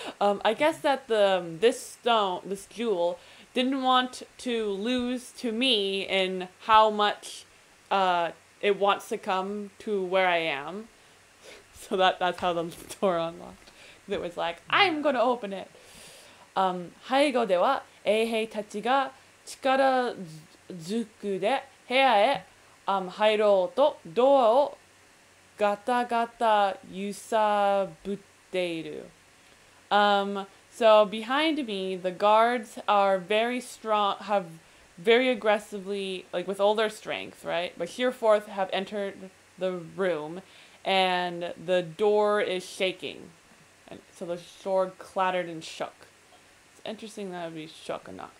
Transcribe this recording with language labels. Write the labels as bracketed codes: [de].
[en] I guess that this stone, this jewel, didn't want to lose to me in how much it wants to come to where I am. So that's how the door unlocked. It was like, I'm going to open it. [ja] 背後では衛兵たちが力ずくで部屋へ入ろうとドアをガタガタ揺さぶっている。 [en] So behind me, the guards are very strong, have very aggressively, like with all their strength, right? But here forth have entered the room and the door is shaking. And so the sword clattered and shook. It's interesting that it would be shook and not.